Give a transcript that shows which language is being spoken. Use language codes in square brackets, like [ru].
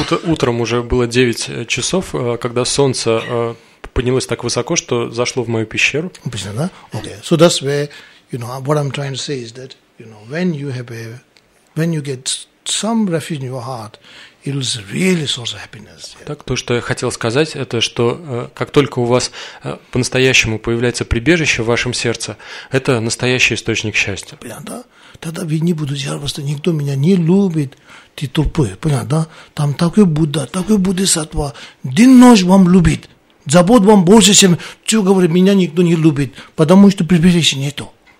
[ru] Утром уже было 9 часов, когда солнце поднялось так высоко, что зашло в мою пещеру. Понятно, да? Okay. [en] So that's where, you know, what I'm trying to say is that, you know, when you have a, when you get some refuge in your heart, it was really source of happiness. [ru] Так, то, что я хотел сказать, это что как только у вас по-настоящему появляется прибежище в вашем сердце, это настоящий источник счастья. Понятно, да? Тогда ведь не буду жаловаться, никто меня не любит, ты тупой, понятно, да? Там такой Будда сатва, день ночь вам любит, забот вам больше, чем, что говорит, меня никто не любит, потому что прибежища нету.